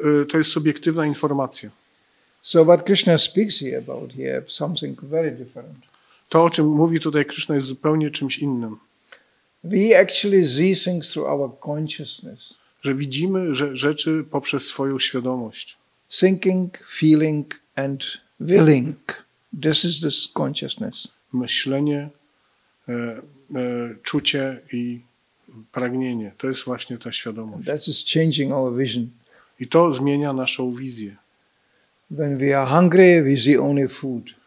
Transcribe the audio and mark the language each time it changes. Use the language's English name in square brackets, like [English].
[Polish] To jest subiektywna informacja. [English] So what Krishna speaks here about here something very different. [Polish] To, o czym mówi tutaj Krishna, jest zupełnie czymś innym. [English] We actually see things through our consciousness. [Polish] Że widzimy rzeczy poprzez swoją świadomość. [English] Thinking, feeling and willing. This is this consciousness. [Polish] Myślenie, czucie i pragnienie. To jest właśnie ta świadomość. [English] That is changing our vision. [Polish] I to zmienia naszą wizję. [English] When we are hungry, we see only food.